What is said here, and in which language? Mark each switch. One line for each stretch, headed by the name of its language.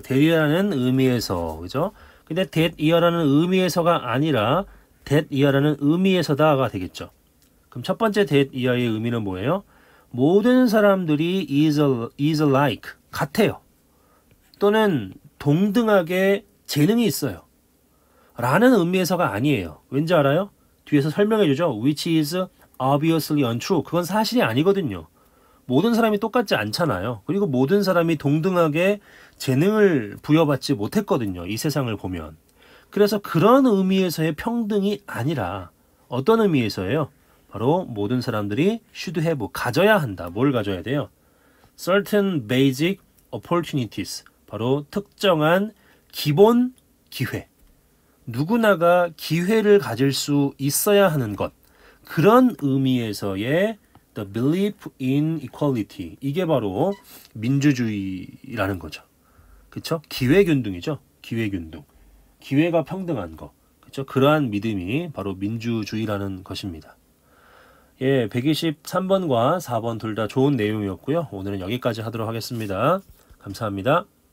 Korean: 대리라는 의미에서, 그죠? 근데 that 이어라는 의미에서가 아니라 that 이어라는 의미에서다가 되겠죠. 그럼 첫 번째 that 이어의 의미는 뭐예요? 모든 사람들이
English: is alike,
Korean: 같아요. 또는 동등하게 재능이 있어요. 라는 의미에서가 아니에요. 왠지 알아요? 뒤에서 설명해 주죠.
English: which is obviously untrue.
Korean: 그건 사실이 아니거든요. 모든 사람이 똑같지 않잖아요. 그리고 모든 사람이 동등하게 재능을 부여받지 못했거든요. 이 세상을 보면. 그래서 그런 의미에서의 평등이 아니라 어떤 의미에서예요? 바로 모든 사람들이
English: should have,
Korean: 가져야 한다. 뭘 가져야 돼요?
English: Certain basic opportunities.
Korean: 바로 특정한 기본 기회. 누구나가 기회를 가질 수 있어야 하는 것. 그런 의미에서의
English: The belief in equality.
Korean: 이게 바로 민주주의라는 거죠. 그쵸? 기회균등이죠? 기회균등. 기회가 평등한 거. 그쵸? 그러한 믿음이 바로 민주주의라는 것입니다. 예, 123번과 4번 둘다 좋은 내용이었고요. 오늘은 여기까지 하도록 하겠습니다. 감사합니다.